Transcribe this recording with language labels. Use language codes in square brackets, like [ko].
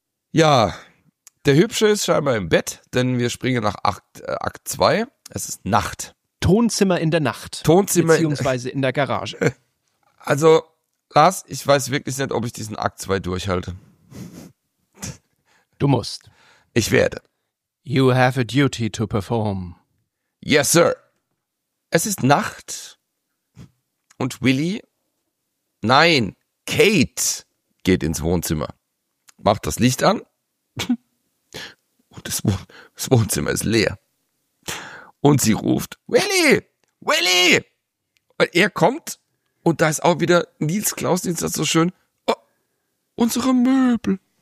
[de] Ja, der Hübsche ist scheinbar im Bett, denn wir springen nach Akt 2. Es ist Nacht. Tonzimmer in der Nacht. Tonzimmer. Beziehungsweise in der Garage. Also, Lars, ich weiß wirklich nicht, ob ich diesen Akt 2 durchhalte. Du musst. Ich werde. [en] You have a duty to perform. Yes, sir. [de] Es ist Nacht und Willy, nein, Kate geht ins Wohnzimmer, macht das Licht an und das Wohnzimmer ist leer. Und sie ruft, Willy, Willy! Und er kommt und da ist auch wieder Nils Klaus, den ist das so schön, oh, unsere Möbel.